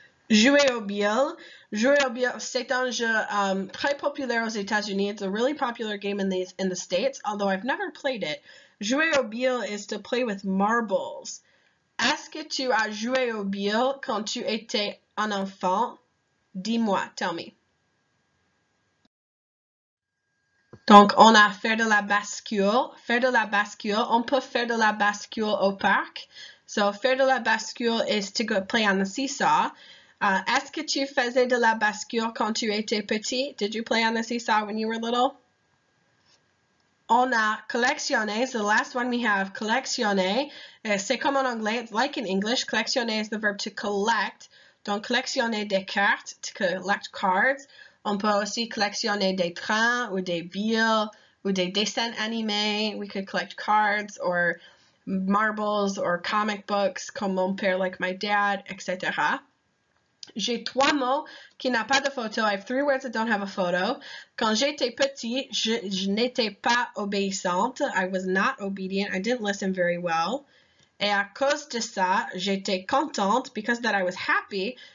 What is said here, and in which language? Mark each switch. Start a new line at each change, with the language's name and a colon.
French: Jouer aux billes. Jouer aux billes, c'est un jeu très populaire aux États-Unis.
English: It's a really popular game in the States, although I've never played it. Jouer aux billes is to play with marbles.
French: Est-ce que tu as joué aux billes quand tu étais un enfant? Dis-moi,
English: tell me.
French: Donc, on a faire de la bascule. Faire de la bascule. On peut faire de la bascule au parc. So, faire de la bascule
English: is to go play on the seesaw.
French: Est-ce que tu faisais de la bascule quand tu étais petit?
English: Did you play on the seesaw when you were little?
French: On a collectionner.
English: So, the last one we have, collectionner.
French: C'est comme en anglais.
English: It's like in English. Collectionner is the verb to collect.
French: Donc, collectionner des cartes,
English: to collect cards.
French: On peut aussi collectionner des trains ou des billes ou des dessins animés.
English: We could collect cards or marbles or comic books,
French: comme mon père,
English: like my dad, etc.
French: J'ai trois mots qui n'ont pas de photo.
English: I have three words that don't have a photo.
French: Quand j'étais petit, je n'étais pas obéissante.
English: I was not obedient. I didn't listen very well.
French: Et à cause de ça, j'étais contente,
English: because that I was happy.